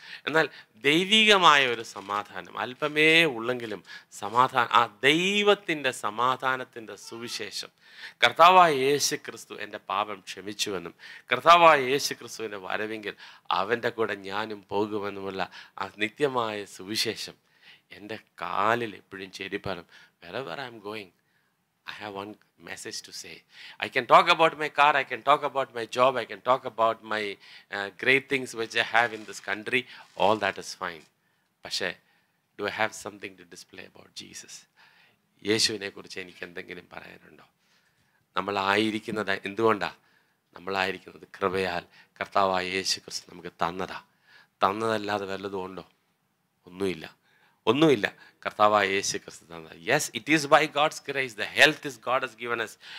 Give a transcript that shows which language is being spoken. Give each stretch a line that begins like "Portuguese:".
Malayalam: എന്നാൽ ദൈവികമായ ഒരു സമാധാനം അല്പമേ ഉള്ളെങ്കിലും സമാധാനം, ആ ദൈവത്തിൻ്റെ സമാധാനത്തിൻ്റെ സുവിശേഷം, കർത്താവായ യേശു ക്രിസ്തു എൻ്റെ പാപം ക്ഷമിച്ചുവെന്നും കർത്താവായ യേശു ക്രിസ്തുവിൻ്റെ വരവെങ്കിൽ അവൻ്റെ കൂടെ ഞാനും പോകുമെന്നുമുള്ള ആ നിത്യമായ സുവിശേഷം എൻ്റെ കാലിൽ എപ്പോഴും ചെരിപ്പാലും.
English: Wherever I'm going, I have one message to say. I can talk about my car, I can talk about my job, I can talk about my great things which I have in this country. All that is fine.
Malayalam: പക്ഷെ
English: do I have something to display about Jesus?
Malayalam: യേശുവിനെ കുറിച്ച് എനിക്ക് എന്തെങ്കിലും പറയാനുണ്ടോ? നമ്മളായിരിക്കുന്നത് എന്തുകൊണ്ടാണ്? നമ്മളായിരിക്കുന്നത് കൃപയാൽ കർത്താവായ യേശു ക്രിസ്തു നമുക്ക് തന്നതാ. തന്നതല്ലാതെ വല്ലതും ഉണ്ടോ? ഒന്നുമില്ല, ഒന്നുമില്ല. കർത്താവായ യേശു ക്രിസ്തു തന്നത്.
English: Yes, it is by God's grace. The health is God has given us.